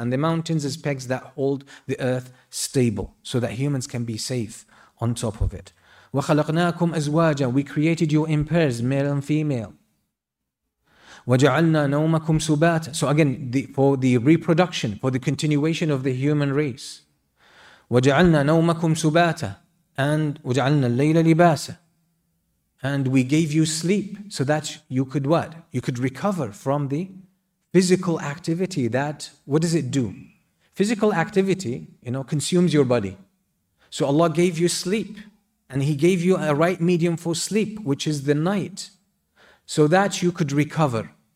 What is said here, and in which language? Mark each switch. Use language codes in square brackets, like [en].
[en] And the mountains as pegs that hold the earth stable so that humans can be safe on top of it. [ar] وَخَلَقْنَاكُمْ أَزْوَاجًا. [en] We created you in pairs, male and female. [ar] وَجَعَلْنَا نَوْمَكُمْ سُبَاتًا. [en] So again, for the reproduction, for the continuation of the human race. [ar] وَجَعَلْنَا نَوْمَكُمْ سُبَاتًا. And وَجَعَلْنَا اللَّيْلَ لِبَاسًا. [en] And we gave you sleep so that you could what? You could recover from the physical activity that, what does it do? Physical activity, you know, consumes your body. So Allah gave you sleep and He gave you a right medium for sleep, which is the night, so that you could recover.